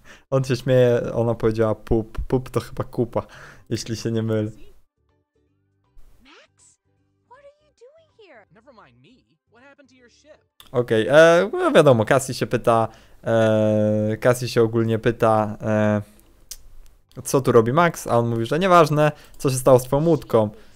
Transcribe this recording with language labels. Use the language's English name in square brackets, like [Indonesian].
[Polish] On się śmieje, ona powiedziała poop. Poop to chyba kupa. Jeśli się nie mylę. [English] Max, what are you doing here? Never mind me. What happened to your ship? [Polish] Okej, okay, no wiadomo, Cassie się pyta. Cassie się ogólnie pyta, co tu robi Max, a on mówi, że nieważne, co się stało z twoją łódką.